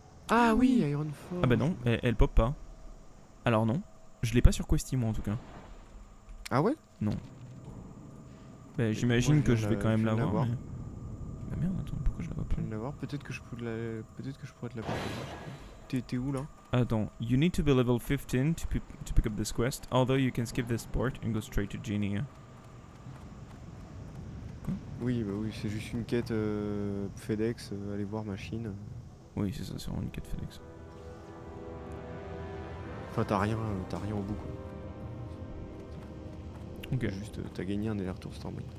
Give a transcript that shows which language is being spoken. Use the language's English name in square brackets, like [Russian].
[French] Ah oui, Ironforge. Ah bah non, elle pop pas. Alors non, je l'ai pas sur Questy, moi en tout cas. Ah ouais? Non. Bah j'imagine moi, que je vais quand même la voir. Mais... Bah merde, attends, pourquoi je la vois pas? Je vais la voir, peut-être que je pourrais te la porter. T'es où là? [English] Attends, you need to be level 15 to pick up this quest, although you can skip this port and go straight to Genea. [French] Quoi? Oui, bah oui, c'est juste une quête FedEx, aller voir machine. Oui, c'est ça, c'est vraiment une quête FedEx. Enfin, t'as rien au bout, quoi. Ok. Juste, t'as gagné un aller-retour Storm.